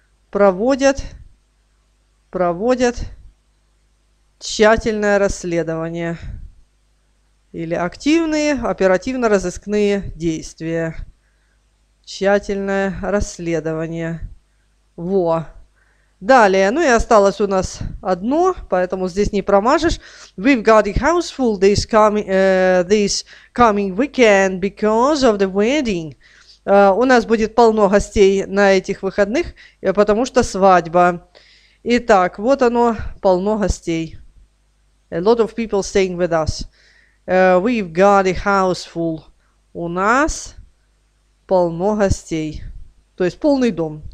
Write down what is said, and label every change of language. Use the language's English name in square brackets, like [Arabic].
[Russian] Проводят тщательное расследование или активные оперативно-розыскные действия. Тщательное расследование. Во. Далее, ну и осталось у нас одно, поэтому здесь не промажешь. [English] We've got a house full this coming weekend because of the wedding. [Russian] У нас будет полно гостей на этих выходных, потому что свадьба. Итак, вот оно, полно гостей. [English] A lot of people staying with us. We've got a house full. [Russian] У нас полно гостей. То есть полный дом.